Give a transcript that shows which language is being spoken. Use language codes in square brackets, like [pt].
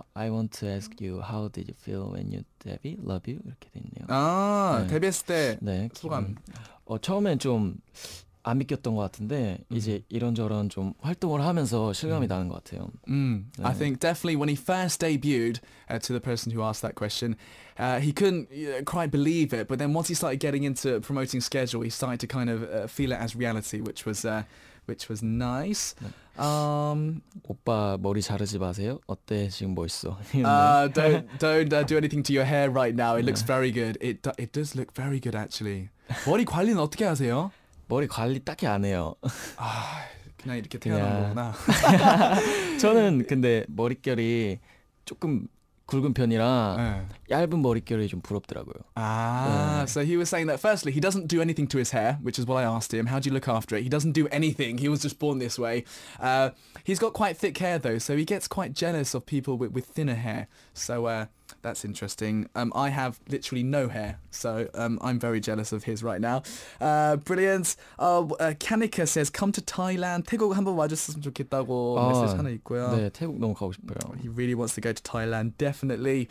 [en] I want to ask you, how did you feel when you debut? Love you. [ko] 이렇게 됐네요. 아, 네. 데뷔했을 때 네. 소감. 처음엔 좀 안 믿겼던 것 같은데 이제 이런저런 좀 활동을 하면서 실감이 나는 것 같아요. [en] I think definitely when he first debuted to the person who asked that question, he couldn't quite believe it. But then once he started getting into promoting schedule, he started to kind of feel it as reality, which was which was nice. 네. [ko] 오빠 머리 자르지 마세요. 어때 지금 멋있어. [en] don't do anything to your hair right now. It looks very good. It does look very good actually. [ko] 머리 관리는 어떻게 하세요? 머리 관리 딱히 안 해요. 아, 그냥 이렇게 태어난 거구나. 저는 근데 머릿결이 조금 굵은 편이라 얇은 머릿결이 좀 부럽더라고요. [en] 아, so he was saying that firstly, he doesn't do anything to his hair, which is what I asked him. How do you look after it? He doesn't do anything. He was just born this way. He's got quite thick hair though, so he gets quite jealous of people with thinner hair. So that's interesting. I have literally no hair, so I'm very jealous of his right now. Brilliant. Kanika says, come to Thailand. [ko] 태국 한번 와줬으면 좋겠다고 메시지 하나 있고요. 네, 태국 너무 가고 싶어요. [en] He really wants to go to Thailand, definitely.